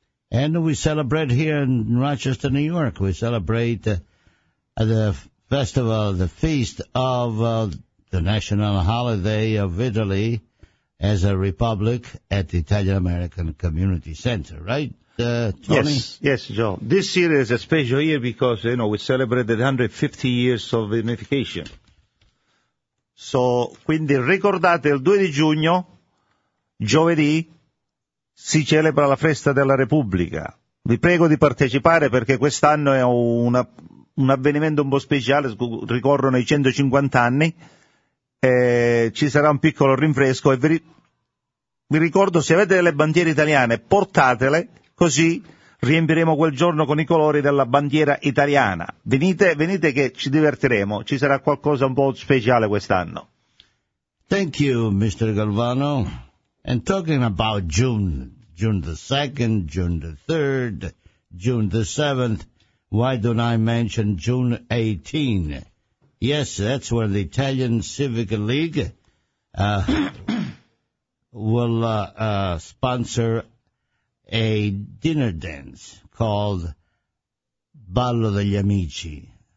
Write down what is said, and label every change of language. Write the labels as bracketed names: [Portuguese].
[English] And we celebrate here in Rochester, New York. We celebrate the festival, the feast of the national holiday of Italy as a republic at the Italian-American Community Center, right, Tony? Yes, Joe. This year is a special year because, you know, we celebrated 150 years of unification. [Italian] So, quindi ricordate il 2 di giugno, giovedì, si celebra la festa della Repubblica. Vi prego di partecipare perché quest'anno è un avvenimento un po' speciale, ricorrono i 150 anni, ci sarà un piccolo rinfresco e vi ricordo, se avete delle bandiere italiane, portatele, così riempiremo quel giorno con i colori della bandiera italiana. Venite, venite che ci divertiremo, ci sarà qualcosa un po' speciale quest'anno. [English] Thank you, Mr. Galvano. And talking about June the 2nd, June the 3rd, June the 7th, why don't I mention June 18? Yes, that's when the Italian Civic League will sponsor a dinner dance called Ballo degli Amici.